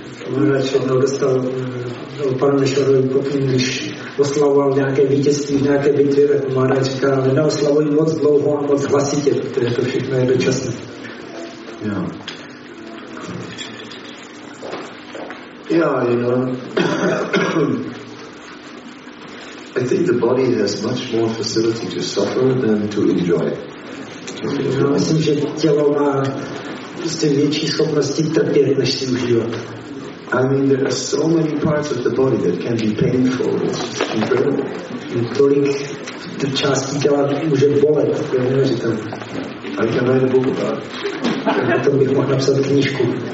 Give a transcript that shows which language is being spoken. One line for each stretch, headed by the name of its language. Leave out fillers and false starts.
Czech: Maharaj jednou dostal pan Mišarovi pokyn, když oslavoval nějaké vítězství v nějaké bitvě, tak Maharaj říká, neoslavuj moc dlouho a moc hlasitě, protože to všechno je dočasné.
English: Yeah, you know, I think the body has much more facility to suffer than to enjoy.
Czech: Myslím, že tělo má prostě větší schopnosti trpět, než si užívat.
English: I mean, there are so many parts of the body that can be painful. It's just incredible.
Czech: Tolik části těla může bolet, to je neuvěřitelné.
English: I can write a book about it.
Czech: Na tom bych mohl napsat knížku.